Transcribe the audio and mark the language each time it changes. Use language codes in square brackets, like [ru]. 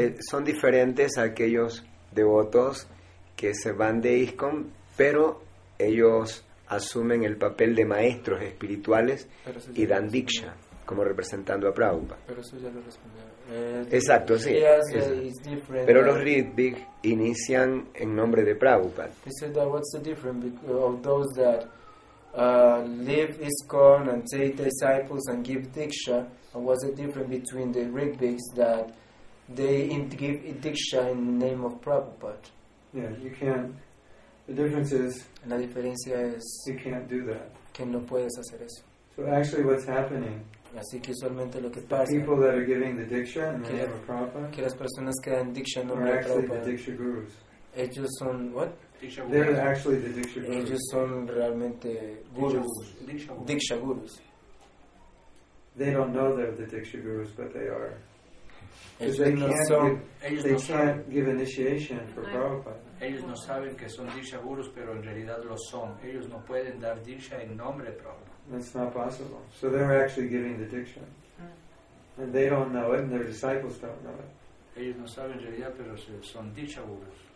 [es] Son diferentes a aquellos devotos que se van de ISKCON, pero ellos asumen el papel de maestros espirituales y dan diksha, como representando a Prabhupada. Pero eso ya lo respondió. Exacto, sí. Pero los Ritvik inician en nombre de Prabhupada. [en] He said that what's the difference of those that leave ISKCON and take disciples and give diksha, and what's the difference between the Ritviks that they give diksha in the name of Prabhupada? Yeah, you can't. The difference is, [es] la diferencia es, [en] you can't do that. [es] Que no puedes hacer eso. [en] So actually, what's happening? [es] Así que usualmente lo que pasa. [en] The people that are giving the diksha in the name of Prabhupada. [es] Que las personas que dan diksha en nombre [en] de Prabhupada. Are actually the diksha gurus. [es] Ellos son [en] what? Diksha gurus. They're actually the diksha gurus. [es] Ellos son realmente gurus. Diksha gurus. [en] They don't know they're the diksha gurus, but they are. [es] Ellos no saben que son diksha gurus, pero en realidad lo son. Ellos no pueden dar diksha en nombre de Prabhupada. [en] It's not possible. So they're actually giving the diksha. And they don't know it, and their disciples don't know it. [es] Ellos no saben en realidad, pero son diksha gurus.